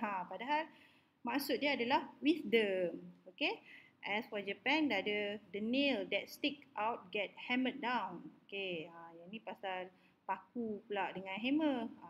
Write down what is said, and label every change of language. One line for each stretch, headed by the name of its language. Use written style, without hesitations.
Malay: Padahal maksud dia adalah wisdom.
English: Okay. As for Japan,
Malay: dah ada
English: the nail that stick out get hammered down. Okay.
Malay: Yang ni pasal paku pula dengan hammer.